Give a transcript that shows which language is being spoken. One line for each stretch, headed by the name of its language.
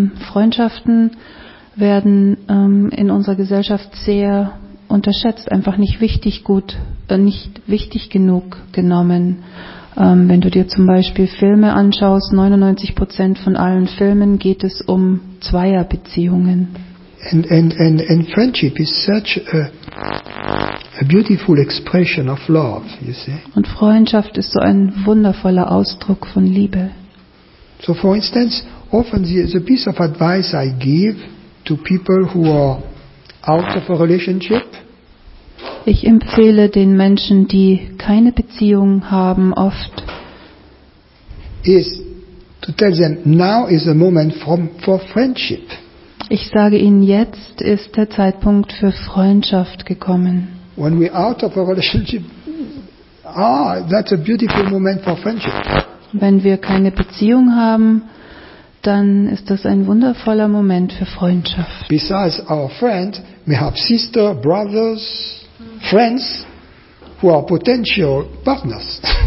German: Freundschaften werden in unserer Gesellschaft sehr unterschätzt, einfach nicht wichtig genug genommen. Wenn du dir zum Beispiel Filme anschaust, 99% von allen Filmen geht es um Zweierbeziehungen.
English: And friendship is such a beautiful expression of love, you see.
German: Und Freundschaft ist so ein wundervoller Ausdruck von Liebe.
English: So for instance, often the piece of advice I give to people who are out of a relationship.
German: Ich empfehle den Menschen, die keine Beziehung haben, oft
English: is to tell them now is the moment for friendship.
German: Ich sage ihnen, jetzt ist der Zeitpunkt für Freundschaft gekommen.
English: When we out of a relationship, that's a beautiful moment for friendship.
German: Wenn wir keine Beziehung haben, dann ist das ein wundervoller Moment für Freundschaft.
English: Besides our friend, we have sister, brothers, friends who are potential partners.